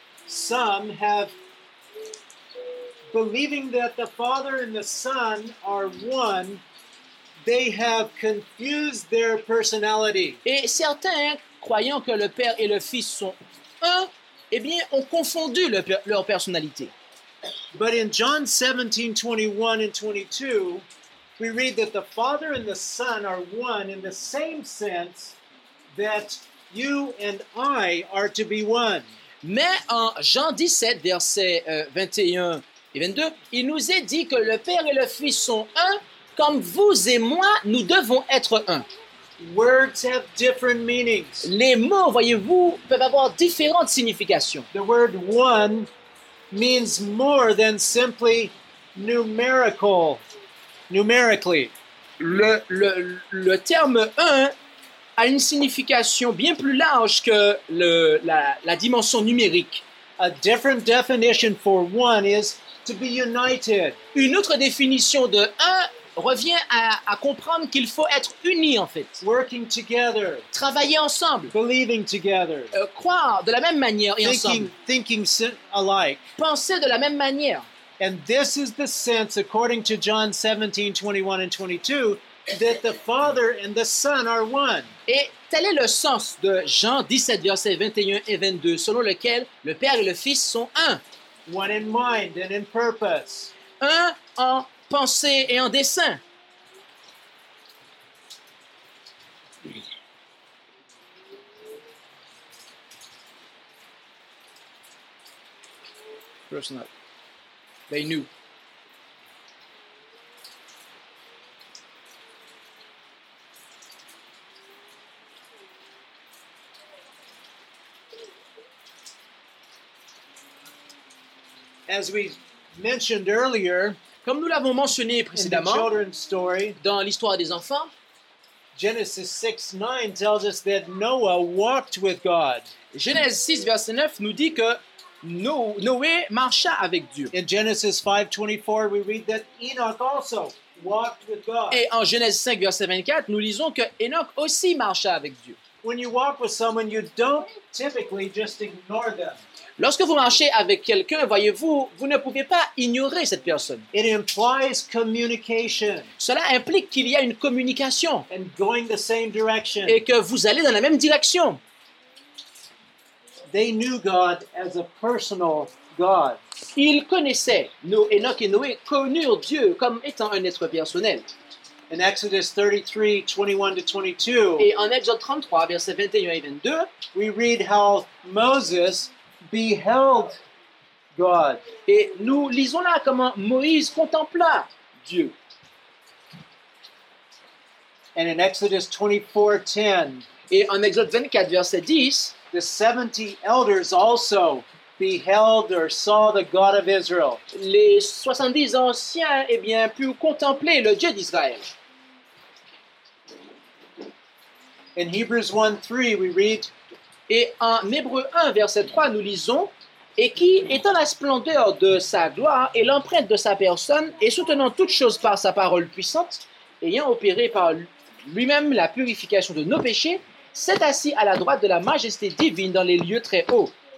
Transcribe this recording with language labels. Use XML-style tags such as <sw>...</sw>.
<en>Some have believing that the Father and the Son are one, they have confused their personality.</en> <fr>Et certains croyant que le Père et le Fils sont un, eh bien, ont confondu leur personnalité.</fr> <en>But in John 17, 21 and 22, we read that the Father and the Son are one in the same sense that you and I are to be one.</en> <fr>Mais en Jean 17, versets 21 et 22, il nous est dit que le Père et le Fils sont un, comme vous et moi, nous devons être un.</fr> <en>Words have different meanings.</en> <fr>Les mots, voyez-vous, peuvent avoir différentes significations.</fr> <en>The word one means more than simply numerical, numerically.</en> <fr>Le terme un a une signification bien plus large que la dimension numérique.</fr> <en>A different definition for one is to be united.</en> <fr>Une autre définition de un revient à comprendre qu'il faut être uni en fait.</fr> <en>Working together.</en> <fr>Travailler ensemble.</fr> <en>Believing together.</en> <fr>Croire de la même manière et</fr> <en>thinking,</en> <fr>ensemble.</fr> <en>Thinking alike.</en> <fr>Penser de la même manière.</fr> <en>And this is the sense, according to John 17, 21 and 22, that the Father and the Son are one.</en> <fr>Et tel est le sens de Jean 17, versets 21 et 22, selon lequel le Père et le Fils sont un.</fr> <en>One in mind and in purpose.</en> <fr>Un en pensée et en dessein.</fr> <en>Personal. They knew. As we mentioned earlier,</en> <fr>comme nous l'avons mentionné précédemment,</fr> <en>in the children's story,</en> <fr>dans l'histoire des enfants,</fr> <en>Genesis 6:9 tells us that Noah walked with God.</en> <fr>Genèse 6 verset 9 nous dit que Noé marcha avec Dieu.</fr> <en>In Genesis 5:24 we read that Enoch also walked with God.</en> <fr>Et en Genèse 5 verset 24, nous lisons que Enoch aussi marcha avec Dieu.</fr> <en>When you walk with someone, you don't typically just ignore them.</en> <fr>Lorsque vous marchez avec quelqu'un, voyez-vous, vous ne pouvez pas ignorer cette personne.</fr> <en>It implies communication.</en> <fr>Cela implique qu'il y a une communication.</fr> <en>And going the same direction.</en> <fr>Et que vous allez dans la même direction.</fr> <en>They knew God as a personal God.</en> <fr>Ils connaissaient Enoch et Noé connurent Dieu comme étant un être personnel.</fr> <en>In Exodus 33:21-22,</en> <fr>et en Exode 33, versets 21 et 22,</fr> <en>we read how Moses beheld God.</en> <fr>Et nous lisons là comment Moïse contempla Dieu.</fr> <en>And in Exodus 24:10,</en> <fr>et en Exode 24, verset 10,</fr> <en>the 70 elders also beheld or saw the God of Israel.</en> <fr>Les 70 anciens, eh bien, purent contempler le Dieu d'Israël.</fr> <en>In Hebrews 1:3, we read,</en> <fr>et en Hébreux 1, verset 3, nous lisons, et qui, étant la splendeur de sa gloire et l'empreinte de sa personne, et soutenant toutes choses par sa parole puissante, ayant opéré par lui-même la purification de nos péchés, s'est assis à la droite de la majesté divine dans les lieux très hauts.</fr>